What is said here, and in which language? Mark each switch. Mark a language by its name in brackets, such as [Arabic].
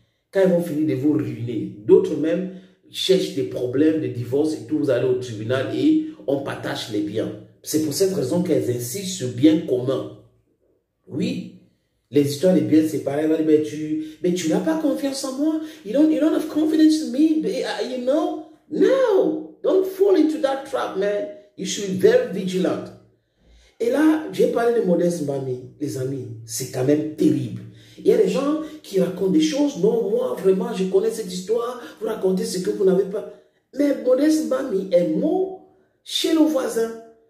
[French] Quand elles vont finir de vous ruiner, d'autres même cherchent des problèmes de divorce et tout, vous allez au tribunal et on partage les biens. C'est pour cette raison qu'elles insistent sur le bien commun. Oui. Les histoires des biens séparés, mais tu n'as pas confiance en moi. [English] You don't have confidence in me, you know? No, don't fall into that trap, man. You should be very vigilant. [French] Et là, j'ai parlé de Modeste Mbami, les amis. C'est quand même terrible. Il y a des gens qui racontent des choses. Non, moi, vraiment, je connais cette histoire. Vous racontez ce que vous n'avez pas. Mais Modeste Mbami est mort chez le voisin.